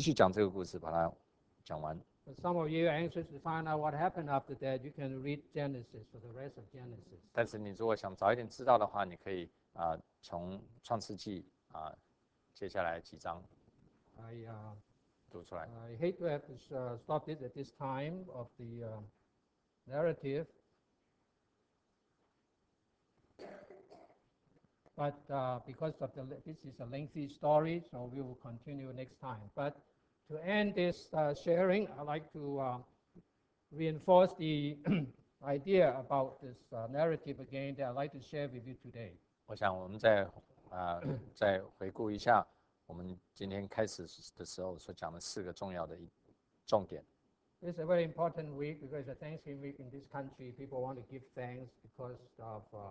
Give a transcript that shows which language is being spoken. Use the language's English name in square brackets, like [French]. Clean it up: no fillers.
[Chinese] 也许两个礼拜以后，我们可以继续讲这个故事，把它讲完。 [English] But some of you are anxious to find out what happened after that. You can read Genesis for the rest of Genesis. [Chinese] 但是你如果想早一点知道的话，你可以。从创世纪接下来几章读出来。 [English] I hate to have to stop it at this time of the narrative, but because of the this is a lengthy story, so we will continue next time. But to end this sharing, I'd like to reinforce the idea about this narrative again that I'd like to share with you today. [Chinese] 我想我们再回顾一下我们今天开始的时候所讲的四个重要的重点。 [English] This is a very important week because it's a Thanksgiving week in this country. People want to give thanks because of